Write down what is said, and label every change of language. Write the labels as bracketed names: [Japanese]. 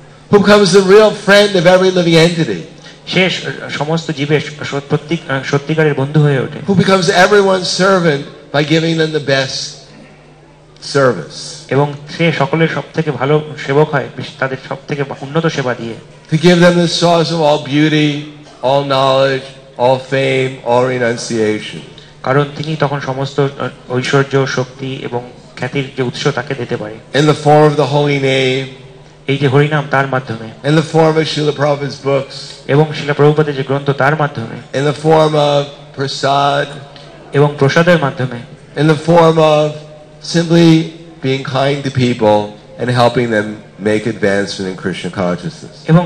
[English] who comes the real friend of every living entity [Bangla] শেষ সমস্ত জীবের প্রত্যেক সত্যিকারের বন্ধু হয়ে ওঠে [English] who becomes everyone servant by giving them the best service [Bangla] এবং সে সকলের সবথেকে ভালো সেবক হয় তাদের সবথেকে উন্নত সেবা দিয়ে [English] to give them the source of all beauty all knowledge all fame all renunciation [Bangla] কারণ তিনি তখন সমস্ত ঐশ্বর্য শক্তি এবং খ্যাতির যে উৎস তাকে দিতে পারে [English] in the form of the holy name [Bangla] এই যে হরি নাম তার মাধ্যমে [English] in the form of Srila Prabhupada's books [Bangla] এবং Srila Prabhupada's যে গ্রন্থ তার মাধ্যমে [English] in the form of prasad [Bangla] এবং প্রসাদের মাধ্যমে [English] in the form of simply being kind to people and helping them make advancement in Krishna consciousness.